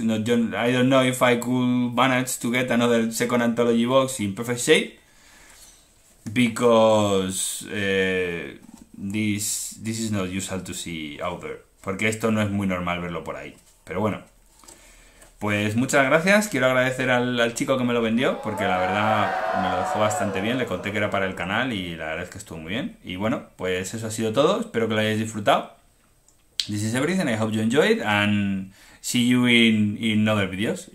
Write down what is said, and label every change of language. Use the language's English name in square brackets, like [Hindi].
[English] No, yo, I don't know if I could manage to get another Second Anthology Box in perfect shape. Because this is not usual to see out there. [Spanish] Porque esto no es muy normal verlo por ahí. Pero bueno. Pues muchas gracias, quiero agradecer al chico que me lo vendió, porque la verdad me lo dejó bastante bien, le conté que era para el canal y la verdad es que estuvo muy bien. Y bueno, pues eso ha sido todo, espero que lo hayáis disfrutado. [English] This is everything, I hope you enjoyed, and see you in other videos.